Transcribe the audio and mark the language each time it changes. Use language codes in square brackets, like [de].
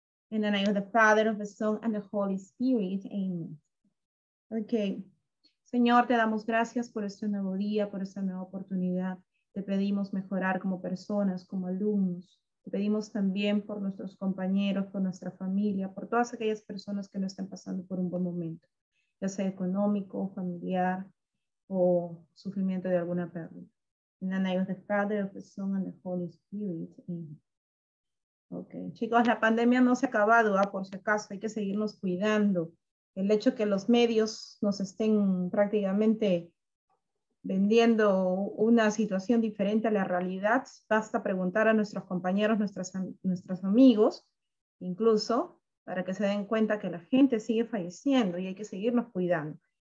[en] In the name of the Father, of the Son, and the Holy Spirit, amen. Okay. [es] Señor, te damos gracias por este nuevo día, por esta nueva oportunidad. Te pedimos mejorar como personas, como alumnos. Te pedimos también por nuestros compañeros, por nuestra familia, por todas aquellas personas que no están pasando por un buen momento, ya sea económico, familiar, o sufrimiento de alguna pérdida. [en] In the name of the Father, of the Son, and the Holy Spirit. Amen. Okay. [es] Chicos, la pandemia no se ha acabado, ¿eh? Por si acaso, hay que seguirnos cuidando. El hecho que los medios nos estén prácticamente vendiendo una situación diferente a la realidad, basta preguntar a nuestros compañeros, nuestros amigos, incluso, para que se den cuenta que la gente sigue falleciendo y hay que seguirnos cuidando.